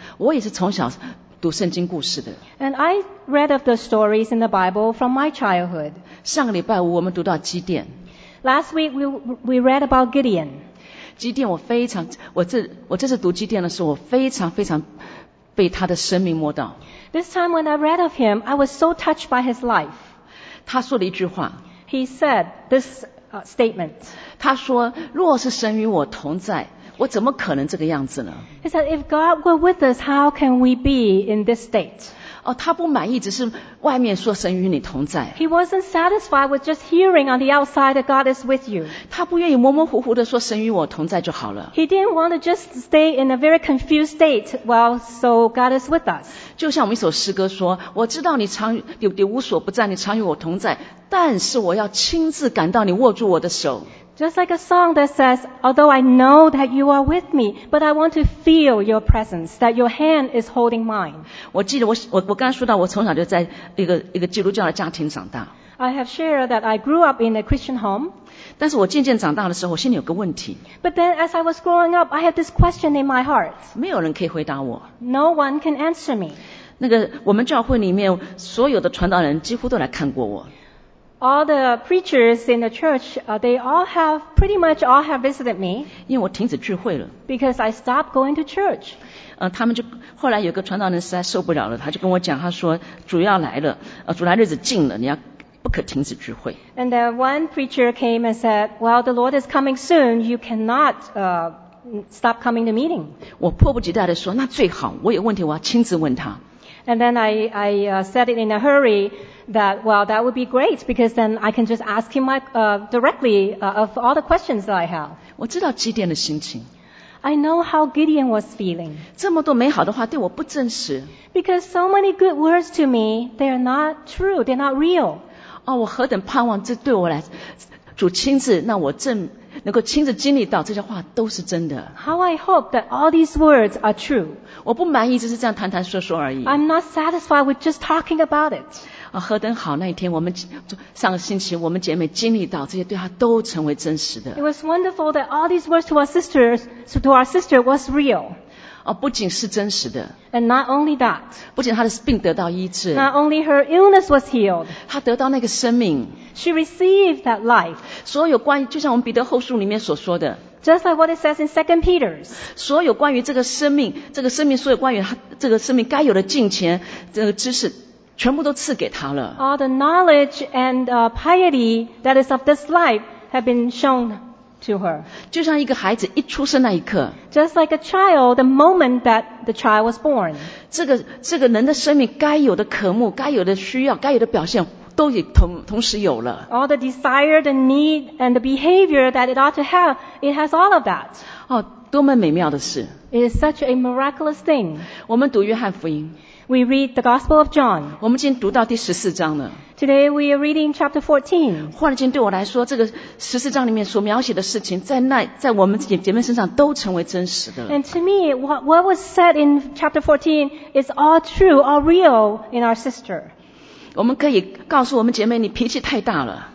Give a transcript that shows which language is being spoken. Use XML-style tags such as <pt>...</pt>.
<zh>我也是从小读圣经故事的。</zh> <en>And I read of the stories in the Bible from my childhood.</en> <zh>上个礼拜五我们读到基甸。</zh> <en>Last week we read about Gideon.</en> <zh>基甸我这次读基甸的时候，我非常非常被他的生命摸到。</zh> <en>This time when I read of him, I was so touched by his life.</en> <zh>他说了一句话。</zh> <en>He said this statement.</en> <zh>他说，若是神与我同在，我怎么可能这个样子呢？</zh> <en>He said, if God were with us, how can we be in this state?</en> <zh>哦，他不满意，只是外面说神与你同在。</zh> <en>He wasn't satisfied with just hearing on the outside that God is with you.</en> <zh>他不愿意模模糊糊地说神与我同在就好了。</zh> <en>He didn't want to just stay in a very confused state, well, so God is with us.</en> <zh>就像我们一首诗歌说，我知道你常你无所不在，你常与我同在。但是我要亲自感到你握住我的手。</zh> <en>Just like a song that says, although I know that you are with me, but I want to feel your presence, that your hand is holding mine.</en> <zh>我记得我刚才说到我从小就在一个基督教的家庭长大。</zh> <en>I have shared that I grew up in a Christian home.</en> <zh>但是我渐渐长大的时候，我心里有个问题。</zh> <en>But then as I was growing up, I had this question in my heart.</en> <zh>没有人可以回答我。</zh> <en>No one can answer me.</en> <zh>那个我们教会里面所有的传道人几乎都来看过我。</zh> <en>All the preachers in the church, they all have, pretty much all have visited me.</en> <zh>因为我停止聚会了。</zh> <en>Because I stopped going to church.</en> <zh>他们就后来有个传道人实在受不了了，他就跟我讲，他说主要来了，主来日子近了，你要不可停止聚会。</zh> <en>And then one preacher came and said, well, the Lord is coming soon, you cannot, stop coming to meeting.</en> <zh>我迫不及待地说，那最好，我有问题我要亲自问他。</zh> <en>And then I said it in a hurry that, well, that would be great because then I can just ask him directly of all the questions that I have.</en> <zh>我知道基甸的心情。</zh> <en>I know how Gideon was feeling.</en> <zh>这么多美好的话对我不真实。</zh> <en>Because so many good words to me, they are not true, they're not real.</en> <zh>哦，我何等盼望这对我来，主亲自让我正能够亲自经历到这些话都是真的。</zh> <en>How I hope that all these words are true.</en> <zh>我不满意只是这样谈谈说说而已。</zh> <en>I'm not satisfied with just talking about it.</en> <zh>哦，何等好那一天，我们上个星期我们姐妹经历到这些对她都成为真实的。</zh> <en>It was wonderful that all these words to our sisters, to our sister was real.</en> <zh>哦，不仅是真实的。</zh> <en>And not only that.</en> <zh>不仅她的病得到医治。</zh> <en>Not only her illness was healed.</en> <zh>她得到那个生命。</zh> <en>She received that life.</en> <zh>所有关于，就像我们彼得后书里面所说的。</zh> <en>Just like what it says in 2 Peter.</en> <zh>所有关于这个生命，这个生命所有关于她这个生命该有的敬虔，这个知识全部都赐给他了。</zh> <en>All the knowledge and piety that is of this life have been shown to her.</en> <zh>就像一个孩子一出生那一刻。</zh> <en>Just like a child, the moment that the child was born.</en> <zh>这个人的生命该有的渴慕，该有的需要，该有的表现，都也同时有了。</zh> <en>All the desire, the need, and the behavior that it ought to have, it has all of that.</en> <zh>哦，多么美妙的事。</zh> <en>It is such a miraculous thing.</en> <zh>我们读约翰福音。</zh> <en>We read the Gospel of John.</en> <zh>我们今天读到第十四章了。</zh> <en>Today we are reading chapter 14.</en> <zh>忽然间对我来说，这个十四章里面所描写的事情，在我们姐妹身上都成为真实的了。</zh> <en>And to me, what was said in chapter 14 is all true, all real in our sister.</en> <zh>我们可以告诉我们姐妹，你脾气太大了。</zh>